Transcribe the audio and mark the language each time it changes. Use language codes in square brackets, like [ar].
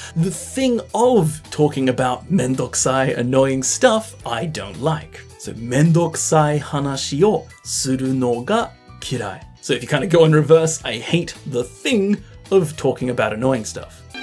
[en] The thing of talking about [ja] 面倒くさい, [en] annoying stuff, I don't like. [ja] So 面倒くさい話をするのが嫌い. [en] So if you kind of go in reverse, I hate the thing of talking about annoying stuff.